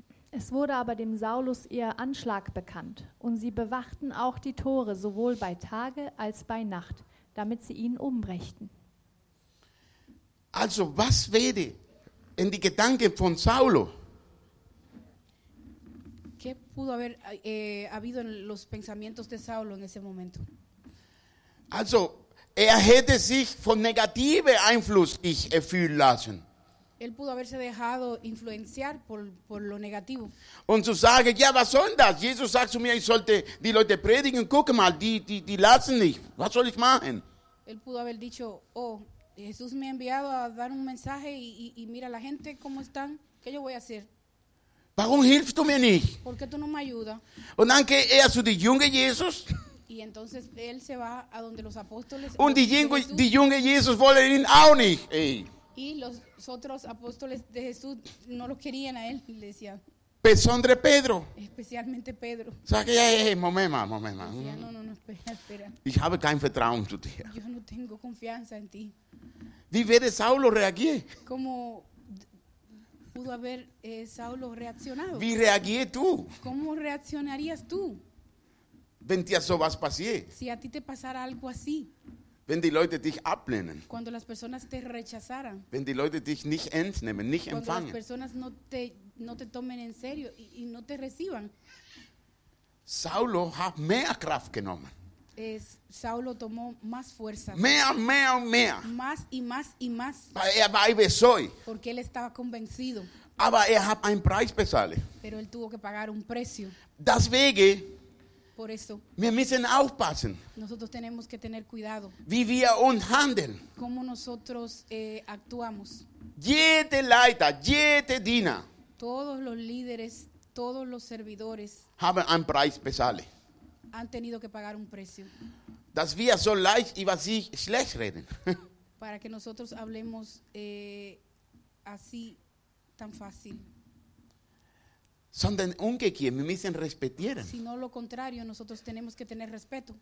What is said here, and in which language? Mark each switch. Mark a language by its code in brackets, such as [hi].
[de] Es wurde aber dem Saulus ihr Anschlag bekannt, und sie bewachten auch die Tore sowohl bei Tage als bei Nacht, damit sie ihn umbrächten. Also, was werde en die Gedanken von Saulo. [es] ¿Qué pudo haber habido en los pensamientos de Saulo en ese momento? [de] Also, hätte sich von negative Einfluss sich erfüllen lassen. [es] Él pudo haberse dejado influenciar por lo negativo. [de] Und zu sagen, ja, was soll das? Jesus sagt zu mir, ich sollte die Leute predigen, guck mal, die lassen nicht. Was soll ich machen? [es] Él pudo haber dicho, oh, Jesús me ha enviado a dar un mensaje y mira la gente cómo están. ¿Qué yo voy a hacer? [de] Warum hilfst du mir nicht? [es] ¿Por qué tú no me ayudas? [de] Und dann geht er zu die junge Jesus. [es] Y entonces él se va a donde los apóstoles. [de] Und die junge Jesus wollen ihn auch nicht. Ey. [es] Y los otros apóstoles de Jesús no lo querían a él, le decían. [de] Besondere Pedro. [es] Especialmente Pedro. [de] Sag ja, hey, Moment mal. [es] Decía, no, espera. [de] Ich habe kein Vertrauen zu dir. [es] Yo no tengo confianza en ti. [de] Wie wäre Saulo reagiert? [es] ¿Cómo pudo haber Saulo reaccionado? [de] Wie reagier tú? [es] ¿Cómo reaccionarías tú? [de] Wenn dir sowas passiert. [es] Si a ti te pasara algo así. [de] Wenn die Leute dich ablehnen. [es] Cuando las personas te rechazaran. [de] Wenn die Leute dich nicht ernst nehmen, nicht [es] cuando [de] empfangen. [es] Las personas no te tomen en serio y no te reciban. [de] Saulo hat mehr Kraft genommen. [es] Saulo tomó más fuerza. [de] Mehr. [es] Más y más y más. Porque él estaba convencido. [de] Aber er hat einen Preis bezahlt. [es] Pero él tuvo que pagar un precio. [de] Deswegen. [es] Por eso. [de] Wir müssen aufpassen. [es] Nosotros tenemos que tener cuidado. [de] Wie wir uns handeln. [es] Cómo nosotros actuamos. [de] Jede Leiter, jede Diener. [es] Todos los líderes, todos los servidores. [de] Haben einen Preis bezahlt. [es] Han tenido que pagar un precio. [de] Dass wir so leicht über sich schlecht reden. [es] Para que nosotros hablemos así tan fácil. [de] Sondern umgekehrt, wir müssen respektieren. [es] Sino lo contrario, nosotros tenemos que tener respeto.